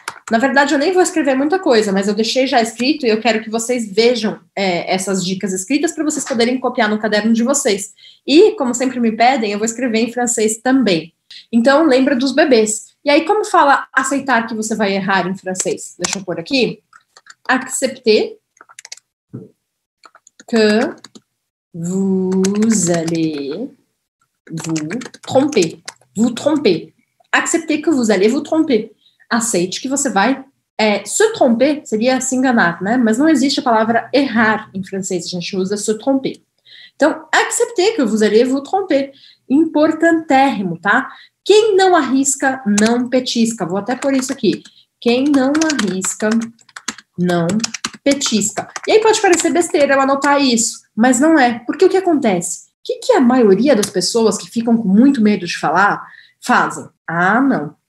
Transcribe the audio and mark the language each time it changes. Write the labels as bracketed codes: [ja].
[pt] Na verdade, eu nem vou escrever muita coisa, mas eu deixei já escrito e eu quero que vocês vejam essas dicas escritas para vocês poderem copiar no caderno de vocês. E, como sempre me pedem, eu vou escrever em francês também. Então, lembra dos bebês. E aí, como fala aceitar que você vai errar em francês? Deixa eu pôr aqui. [fr] Accepter que vous allez vous tromper. Vous tromper. Accepter que vous allez vous tromper. [pt] Aceite que você vai [fr] se tromper, [pt] seria se enganar, né? Mas não existe a palavra errar em francês, a gente usa [fr] se tromper. [pt] Então, [fr] accepter que vous allez vous tromper. [pt] Importantérrimo, tá? Quem não arrisca, não petisca. Vou até pôr isso aqui. Quem não arrisca, não petisca. E aí pode parecer besteira eu anotar isso, mas não é. Porque o que acontece? O que, que a maioria das pessoas que ficam com muito medo de falar fazem? Ah, não.